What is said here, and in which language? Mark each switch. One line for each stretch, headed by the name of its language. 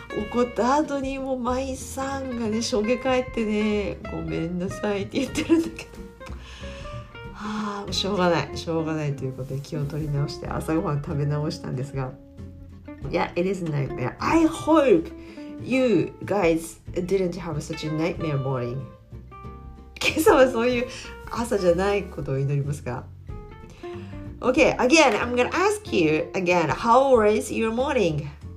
Japanese: 怒った後にもう舞さんがね、しょげ返ってね、ごめんなさいって言ってるんだけど、はあ、しょうがない、しょうがないということで気を取り直して朝ごはん食べ直したんですが、
English: Yeah, it is a nightmare. I hope you guys didn't have such a nightmare morning.
Japanese: 今朝はそういう朝じゃないことを祈りますか。
English: Okay, again, I'm gonna ask you again, how was your morning?